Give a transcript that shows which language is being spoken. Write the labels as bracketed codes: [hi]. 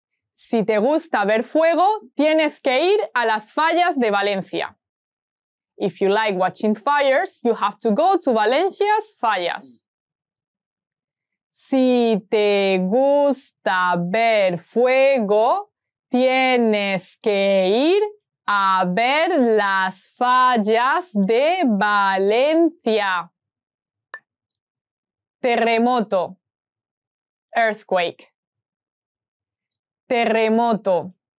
[es] Si te gusta ver fuego, tienes que ir a las fallas de Valencia. [en] If you like watching fires, you have to go to Valencia's fallas. [es] Si te gusta ver fuego, tienes que ir a ver las fallas de Valencia. Terremoto. Earthquake. Terremoto.